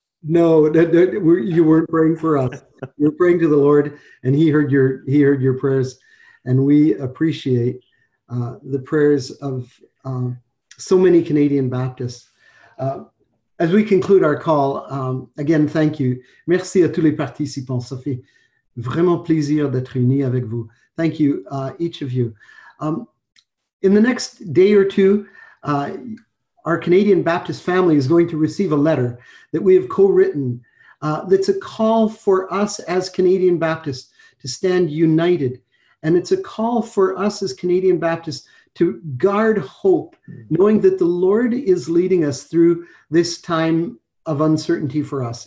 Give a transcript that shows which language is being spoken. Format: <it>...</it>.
<en>No, you weren't praying for us. You're praying to the Lord, and he heard your prayers. And we appreciate the prayers of so many Canadian Baptists. As we conclude our call, again, thank you.</en> <fr>Merci à tous les participants, Sophie. Vraiment plaisir d'être uni avec vous.</fr> <en>Thank you, each of you. In the next day or two, our Canadian Baptist family is going to receive a letter that we have co-written that's a call for us as Canadian Baptists to stand united. And it's a call for us as Canadian Baptists to guard hope, knowing that the Lord is leading us through this time of uncertainty for us.</en>